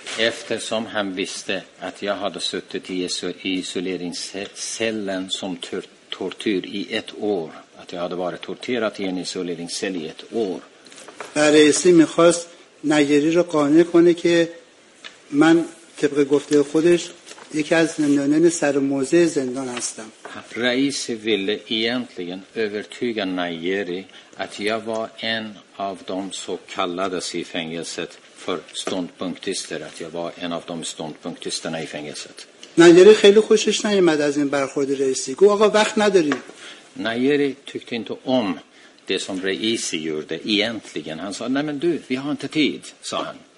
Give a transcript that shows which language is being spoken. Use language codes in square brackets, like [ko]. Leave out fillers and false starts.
[sv] Eftersom han visste att jag hade suttit i isoleringscellen som tortyr i ett år. Att jag hade varit torterad i en isoleringscell i ett år. [fa] Reisi میخواست نجری رو قانع کنه که من طبق گفته خودش یکی از زندانیان سر موزه زندان هستم. [sv] Reisi ville egentligen övertyga Nayeri att jag var en av de så kallade i fängelset för ståndpunktister, att jag var en av de ståndpunktisterna i fängelset. [fa] Nayeri خیلی خوشش نیامد از این برخورد رئیسی. گفت آقا وقت نداریم. [sv] Nayeri tyckte inte om det som Reisi gjorde egentligen. Han sa nej men du, vi har inte tid, sa han.